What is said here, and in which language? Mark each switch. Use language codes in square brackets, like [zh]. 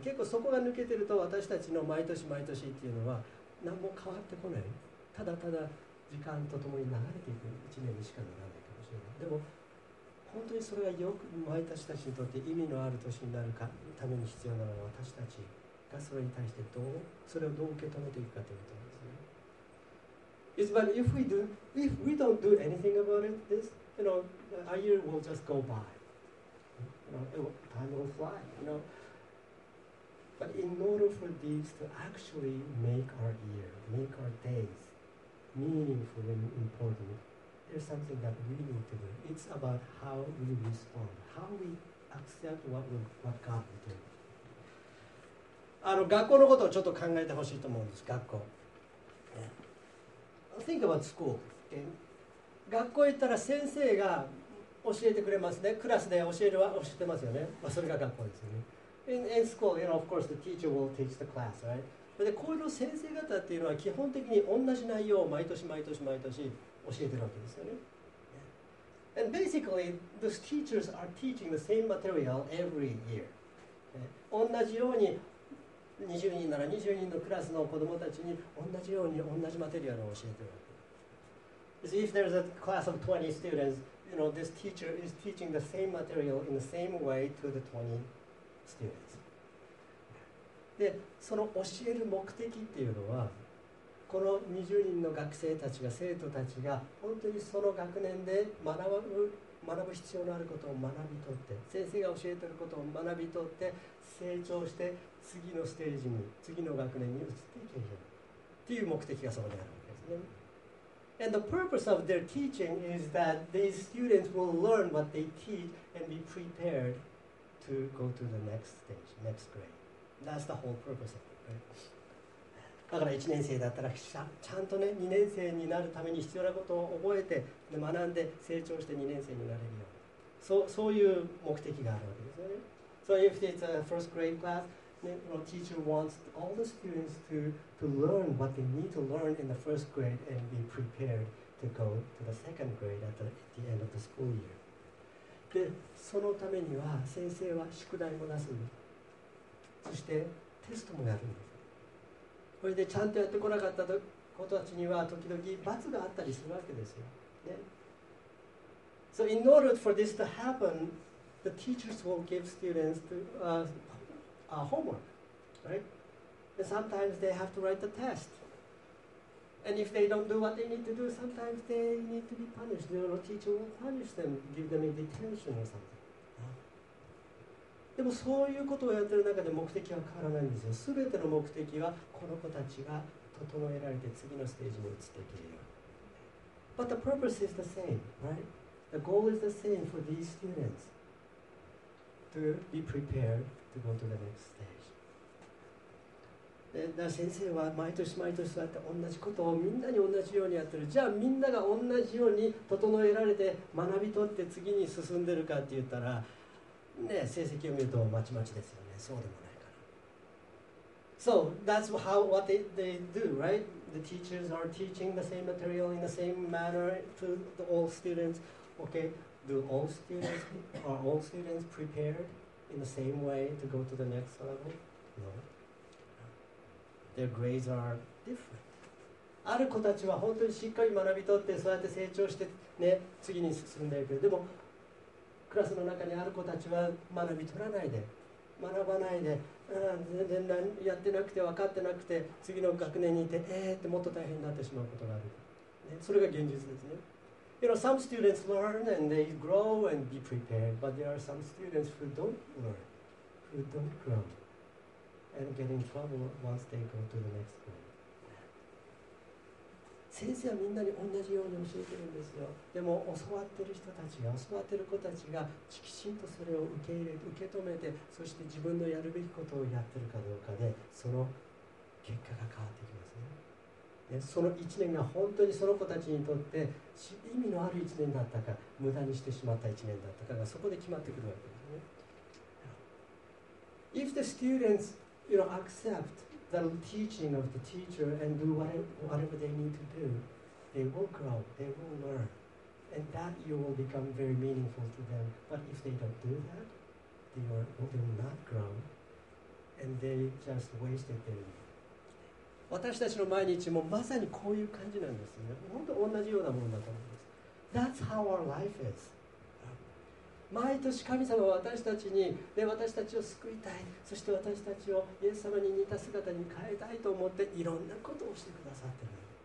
[ja] 結構そこが抜けてると私たちの毎年毎年っていうのは何も変わってこない、ただただ時間とともに流れていく一年にしかならないかもしれない。でも本当にそれがよく毎年たちにとって意味のある年になるかために必要なのは、私たちがそれに対してどう、それをどう受け止めていくかということですね。 [en] It's but if we do, if we don't do anything about it, this, you know, a year will just go by. You know, it will, time will fly, you know. But in order for these to actually make our year, make our days meaningful and important,There's something that we need to do. It's about how we respond, how we accept what God will do. [ja] あの学校のことをちょっと考えてほしいと思うんです。 [en] 学校。Yeah. Think about school.、Okay? [ja] 学校行ったら先生が教えてくれますね。クラスで教えるは教えてますよね。まあ、それが学校ですよね。 [en] In school, you know, of course, the teacher will teach the class, right? [ja] で、こういう先生方っていうのは基本的に同じ内容を毎年毎年毎年。教えてるわけですよね。 [en] And basically, those teachers are teaching the same material every year. [ja] 同じように20人なら20人のクラスの子どもたちに同じように同じマテリアルを教えてるわけです。 [en] If there's a class of 20 students, you know, this teacher is teaching the same material in the same way to the 20 students. [ja] で、その教える目的っていうのは、この20人の学生たちが、生徒たちが本当にその学年で学ぶ必要のあることを学び取って、先生が教えていることを学び取って成長して次のステージに、次の学年に移っていけるっていう目的がそこにあるわけですね。 [en] And the purpose of their teaching is that these students will learn what they teach and be prepared to go to the next stage, next grade. That's the whole purpose of it, right? [ja] だから1年生だったらちゃんとね2年生になるために必要なことを覚えて学んで成長して2年生になれるようにそういう目的があるわけですね。 [en] So if it's a first grade class, the teacher wants all the students to learn what they need to learn in the first grade and be prepared to go to the second grade at the end of the school year. [ja] で、そのためには先生は宿題も出す。そしてテストもやるんです。これでちゃんとやってこなかった子たちには時々罰があったりするわけですよ。ね。 [en] So in order for this to happen, the teachers will give students a homework, right? And sometimes they have to write the test. And if they don't do what they need to do, sometimes they need to be punished. The teacher will punish them, give them a detention or something. [ja] でもそういうことをやってる中で目的は変わらないんですよ。すべての目的はこの子たちが整えられて次のステージに移っていけるよ。 [en] But the purpose is the same, right? The goal is the same for these students to be prepared to go to the next stage. [ja] で、だから先生は毎年毎年そうやって同じことをみんなに同じようにやってる。じゃあみんなが同じように整えられて学び取って次に進んでるかって言ったら、ね、成績を見るとまちまちですよね。そうでもないから。 [en] So that's how what they do, right? The teachers are teaching the same material in the same manner to the all students. Okay, do all students are all students prepared in the same way to go to the next level? No. Their grades are different. [ja] ある子たちは本当にしっかり学び取ってそうやって成長してね、次に進んでいく。でもクラスの中にある子たちは学び取らないで、学ばないで、全然やってなくて、分かってなくて、次の学年にいて、ってもっと大変になってしまうことがある。ね、それが現実ですね。 [en] You know, some students learn and they grow and be prepared, but there are some students who don't learn, who don't grow, and get in trouble once they go to the next grade. [ja] 先生はみんなに同じように教えてるんですよ。でも教わってる人たちが、教わってる子たちがきちんとそれを受け入れ、受け止めて、そして自分のやるべきことをやってるかどうかで、その結果が変わってきますね。で、その1年が本当にその子たちにとって意味のある1年だったか、無駄にしてしまった1年だったかがそこで決まってくるわけですね。 [en] If the students, you know, accept the teaching of the teacher and do whatever they need to do, they will grow, they will learn, and that you will become very meaningful to them. But if they don't do that, they will not grow, and they just wasted their life. [ja] 私たちの毎日もまさにこういう感じなんですね。本当同じようなものだと思います。 [en] That's how our life is. [ja] 毎年神様は私たちに、ね、私たちを救いたい、そして私たちをイエス様に似た姿に変えたいと思っていろんなことをしてくださっている。